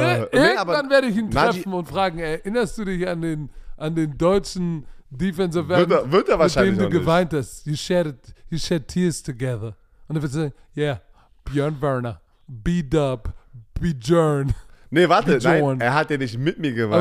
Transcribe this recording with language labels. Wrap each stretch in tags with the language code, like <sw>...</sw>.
<de>Irgendwann werde ich ihn treffen und fragen, erinnerst du dich an den deutschen Defensive End, wird er wahrscheinlich mit dem du geweint nicht.</de> <en>You shed tears together.</en> <de>Und er wird sagen, yeah, Björn Werner, B-Dub, B-Jern. Nee, warte, nein, er hat ja nicht mit mir geweint.</de>